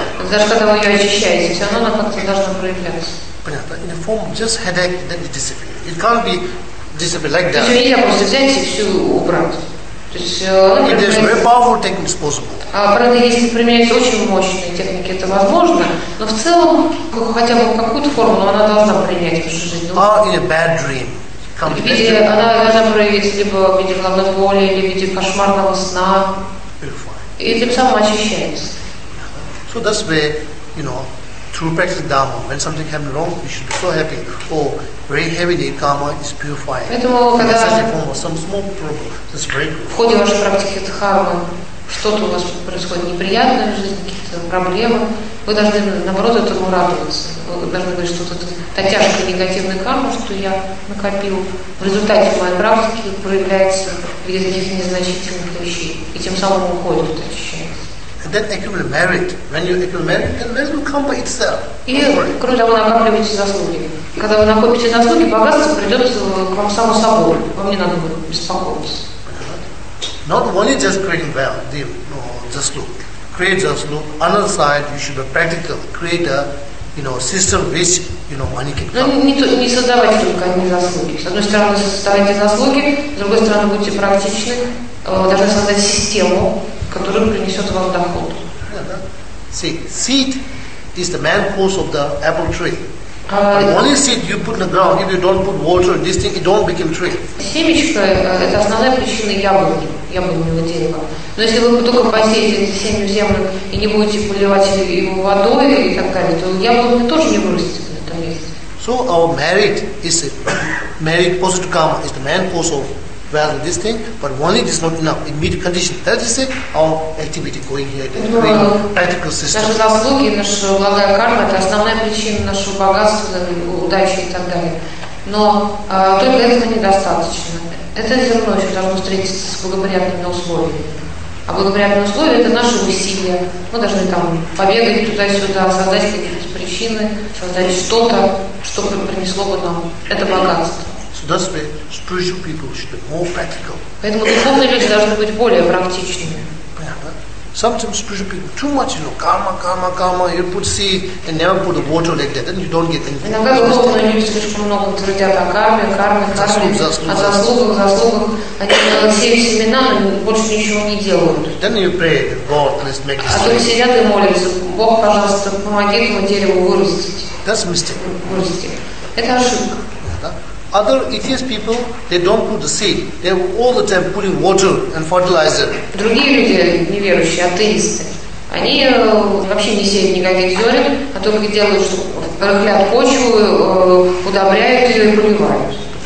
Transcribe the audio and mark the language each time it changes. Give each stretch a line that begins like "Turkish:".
Russian: Даже когда вы ее очищаете, все равно она как-то должна проявляться. Понятно.
English: In the form of just headache, then it disappears. It can't be disappear like that.
Russian: Извините, я просто взять и все убрать.
English: It is very powerful technique possible.
Russian: Правда, если применять очень мощные техники, это возможно. Но в целом, хотя бы какую-то форму, но она должна принять в жизнь.
English: Or in a bad dream.
Russian: Она должна проявиться либо в виде головной боли, либо в виде кошмарного сна. И тем самым очищается.
English: So that's where, you know, through practice dharma, when something happens wrong, you should be so happy. Oh, very heavy day karma is purifying. Some small problem. That's very good.
Russian: В ходе вашей практики дхармы что-то у вас происходит неприятное в жизни, какие-то проблемы. Вы должны, наоборот, этому радоваться. Вы должны говорить, что вот эта тяжкая негативная карма, что я накопил, в результате моей практики проявляется в виде таких незначительных вещей. И тем самым уходит это ощущение.
English: And then accumulate merit. When you accumulate merit, then merit will come by itself.
Russian: И кроме того, накапливайте заслуги. Когда вы накопите заслуги, богатство придет к вам само собой. Вам не надо будет беспокоиться.
English: Not only just creating wealth, заслуг. Create заслуг. On the other side, you should be practical. Create a, you know, system which, you know, money can come.
Russian: Не создавайте только одни заслуги. С одной стороны, создавайте заслуги, с другой стороны, будьте практичны. Должны создать систему, который принесет вам доход.
English: Seed is the main cause of the apple tree. Only seed you put in the ground, if you don't put water in this thing, it don't become tree.
Russian: Семечко – это основная причина яблони, яблоневого дерева. Но если вы только посеете эти семя в землю и не будете поливать его водой и так далее, то яблони тоже не вырастет на этом месте.
English: So our merit is it. Merit, positive karma, is the main cause of well, this thing, but only this is not enough. In medium condition, that is it, our activity going here, the practical system.
Russian: Наши заслуги, наша благая карма – это основная причина нашего богатства, удачи и так далее. Но только этого недостаточно. Это зерно еще должно встретиться с благоприятными условиями. А благоприятные условия – это наши усилия. Мы должны там побегать туда-сюда, создать какие-то причины, создать что-то, что принесло бы нам это богатство.
English: That's why spiritual people should be more practical.
Russian: Поэтому духовные люди должны быть более практичными.
English: Sometimes spiritual people too much, you know, karma. You put seed and never put the water like that, then you don't get anything.
Russian: Иногда духовные люди слишком много твердят о карме, о заслугах. Они делают все семена, но больше ничего не делают.
English: Then you pray, God, please make it.
Russian: А тут сидят и молятся: Бог, пожалуйста, помоги этому дереву вырастить.
English: That's a mistake.
Russian: Это ошибка.
English: Other atheist people, they don't put the seed. They are all the time putting water and fertilizer.
Russian: Другие люди, неверующие, атеисты, они вообще не сеют никаких зерен, а только делают, что рыхлят почву, удобряют ее и поливают.